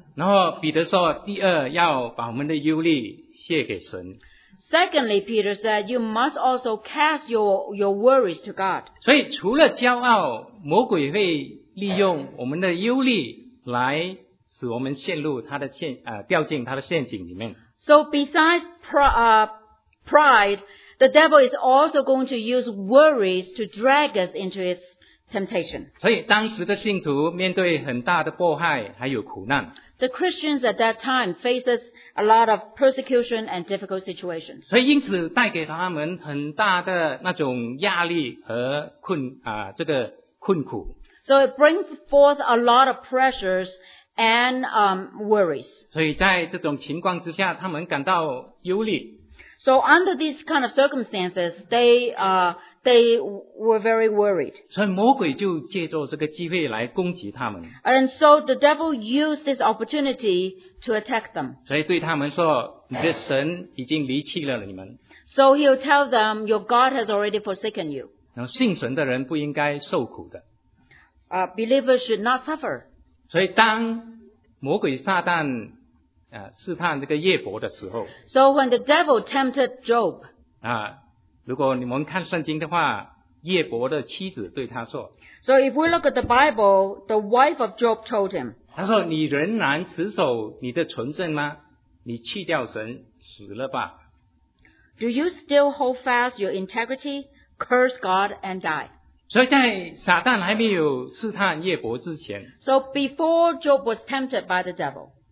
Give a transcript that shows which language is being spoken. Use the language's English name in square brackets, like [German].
[Chinese] 然后彼得说第二要把我们的忧虑卸给神。 [English] Secondly, Peter said, you must also cast your worries to God. [Chinese] 所以除了骄傲魔鬼会利用我们的忧虑来使我们陷入他的陷掉进他的陷阱里面。 [English] So besides pride, the devil is also going to use worries to drag us into his temptation. [Chinese] 所以当时的信徒面对很大的迫害还有苦难。 [English] The Christians at that time faces a lot of persecution and difficult situations. [Chinese] 所以因此带给他们很大的那种压力和困苦。 [English] So it brings forth a lot of pressures and worries. [Chinese] 所以在这种情况之下他们感到忧虑。 [English] So under these kind of circumstances, they were very worried. [Chinese] 所以魔鬼就借助这个机会来攻击他们。 [English] And so the devil used this opportunity to attack them. [Chinese] 所以对他们说你的神已经离弃了你们。 [English] So he'll tell them, your God has already forsaken you. [Chinese] 然后信神的人不应该受苦的。 [English] Believers should not suffer. [Chinese] 所以当魔鬼撒旦试探这个叶伯的时候。 [English] So when the devil tempted Job. [Chinese] 如果你们看圣经的话叶伯的妻子对他说。 [English] So if we look at the Bible, the wife of Job told him. [Chinese] 他说你仍然持守你的纯正吗你弃掉神死了吧。 [English] Do you still hold fast your integrity? Curse God and die. [Chinese] 所以在撒旦还没有试探叶伯之前。 [English] So before Job was tempted by the devil.